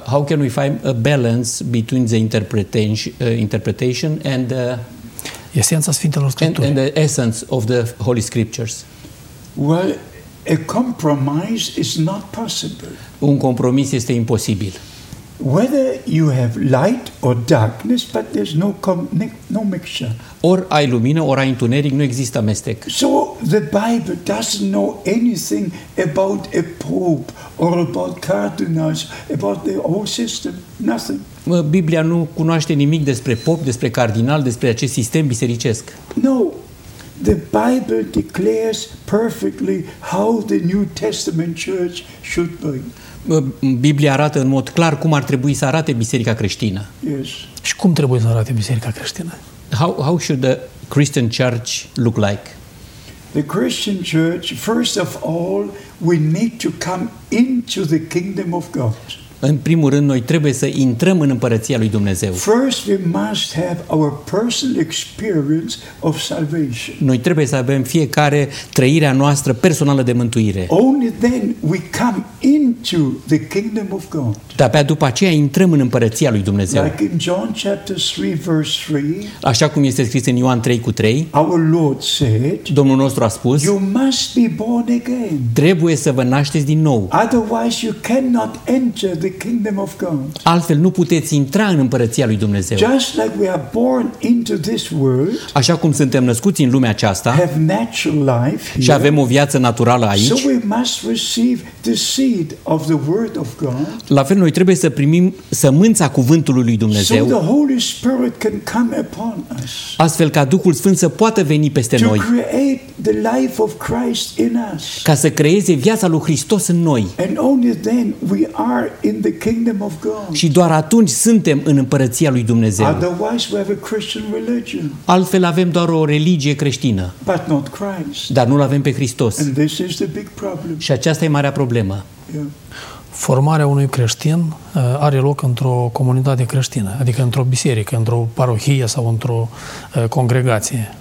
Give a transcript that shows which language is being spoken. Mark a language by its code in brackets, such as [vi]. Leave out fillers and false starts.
[en] How can we find a balance between the interpretation and the [ro] esența Sfintelor Scripturii? [en] And the essence of the Holy Scriptures? Well, a compromise is not possible. [ro] Un compromis este imposibil. [en] Whether you have light or darkness, but there's no mixture. [ro] Ori ai lumină, ori ai întuneric, nu există amestec. [en] So the Bible doesn't know anything about a pope or about cardinals, about the whole system, nothing. [ro] Biblia nu cunoaște nimic despre pop, despre cardinal, despre acest sistem bisericesc. [en] No. The Bible declares perfectly how the New Testament church should be. [ro] Biblia arată în mod clar cum ar trebui să arate biserica creștină. [en] Yes. [ro] Și cum trebuie să arate biserica creștină? [en] How should the Christian church look like? The Christian church, first of all, we need to come into the kingdom of God. [ro] În primul rând, noi trebuie să intrăm în împărăția lui Dumnezeu. [en] First, we must have our personal experience of salvation. [ro] Noi trebuie să avem fiecare trăirea noastră personală de mântuire. [en] Only then we come into the kingdom of God. [ro] Dar după aceea intrăm în împărăția lui Dumnezeu. [en] Like in John chapter 3, verse 3, [ro] așa cum este scris în Ioan 3:3. [en] Our Lord said, [ro] Domnul nostru a spus, [en] you must be born again. [ro] Trebuie să vă nașteți din nou. [en] Otherwise you cannot enter the kingdom of God. [ro] Altfel nu puteți intra în împărăția lui Dumnezeu. [en] Just like we are born into this world, [ro] așa cum suntem născuți în lumea aceasta, [en] have natural life here, [ro] și avem o viață naturală aici, [en] so we must receive the seed of the word of God. [ro] La fel noi trebuie să primim sămânța cuvântului lui Dumnezeu. [en] So the Holy Spirit can come upon us. [ro] Astfel ca Duhul Sfânt să poată veni peste [en] to [ro] noi. [en] Create the life of Christ in us. [ro] Ca să creeze viața lui Hristos în noi. [en] And only then we are in the kingdom of God. [ro] Și doar atunci suntem în împărăția lui Dumnezeu. [en] Otherwise we have a Christian religion. [ro] Altfel avem doar o religie creștină. [en] But not Christ. [ro] Dar nu-l avem pe Hristos. [en] And this is the big problem. [ro] Și aceasta e marea problemă. [en] Yeah. [ro] Formarea unui creștin are loc într-o comunitate creștină, adică într-o biserică, într-o parohie sau într-o congregație.